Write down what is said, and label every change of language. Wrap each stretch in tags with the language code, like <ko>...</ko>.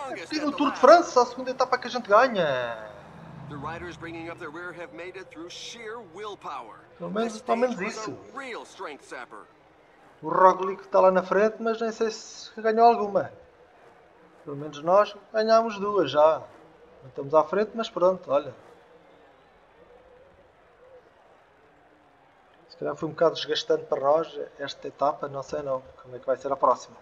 <pt>E no Tour de França, a segunda etapa que a gente ganha.</pt> <en>The riders bringing up the rear have made it through sheer willpower.</en> <pt>Pelo menos isso.</pt> <en>A real strength sapper.</en> <pt>O Roglic está lá na frente, mas nem sei se ganhou alguma. Pelo menos nós ganhámos duas já. Não estamos à frente, mas pronto, olha. Se calhar foi um bocado desgastante para nós esta etapa, não sei não. Como é que vai ser a próxima?</pt>